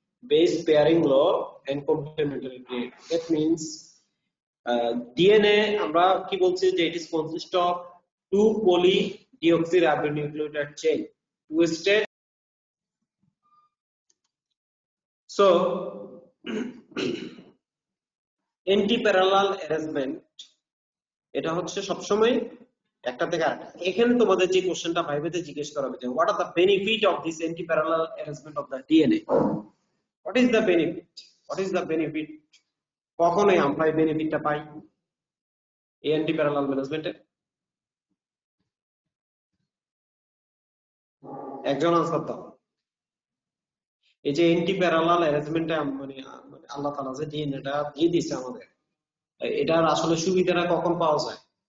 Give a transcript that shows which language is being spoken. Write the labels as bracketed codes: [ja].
[en] base pairing law and complementary DNA, that means DNA [bn] আমরা কি বলছি যে [en] It is consist of two poly deoxyribonucleotide chain, two straight. [bn] So, anti-parallel arrangement, এটা হচ্ছে সবসময় একটা থেকে আরেকটা। এখানে তোমাদের যে কোশ্চেনটা ভাইবেতে জিজ্ঞেস করা হবে যে [en] what are the benefit of this anti-parallel arrangement of the DNA? What is the benefit? What is the benefit? [bn] কখনই আমরা এই বেনিফিটটা পাই এই anti-parallel arrangement? একজন আনসার দাও। এই যে এন্টি প্যারালাল অ্যারেঞ্জমেন্ট মানে মানে আল্লাহ তাআলা যে ডিএনএটা দিয়ে দিয়েছে আমাদের, এটার আসলে সুবিধাটা কখন পাওয়া যায়?